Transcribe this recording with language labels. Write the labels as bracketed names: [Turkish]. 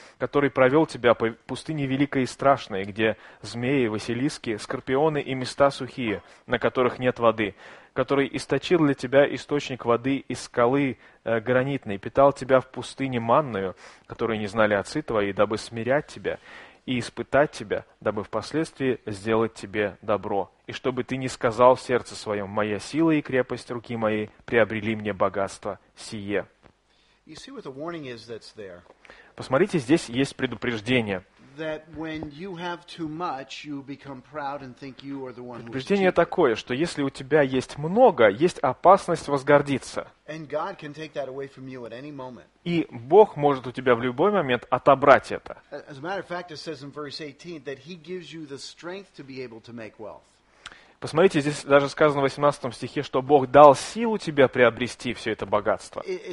[Russian] который провел тебя по пустыне великой и страшной, где змеи, василиски, скорпионы и места сухие, на которых нет воды, который источил для тебя источник воды из скалы гранитной, питал тебя в пустыне манною, которую не знали отцы твои, дабы смирять тебя и испытать тебя, дабы впоследствии сделать тебе добро. И чтобы ты не сказал в сердце своем, моя сила и крепость руки моей приобрели мне богатство сие. [English] You see what the warning is that's there. [Russian] Посмотрите, здесь есть предупреждение. [English] That when you have too much, you become proud and think you are the one. [Russian] Предупреждение такое, что если у тебя есть много, есть опасность возгордиться. [English] And God can take that away from you at any moment. [Russian] И Бог может у тебя в любой момент отобрать это. [English] As a matter of fact, it says in verse 18 that He gives you the strength to be able to make wealth. [Russian] Посмотрите, здесь даже сказано в 18 стихе, что Бог дал силу тебе приобрести все это богатство.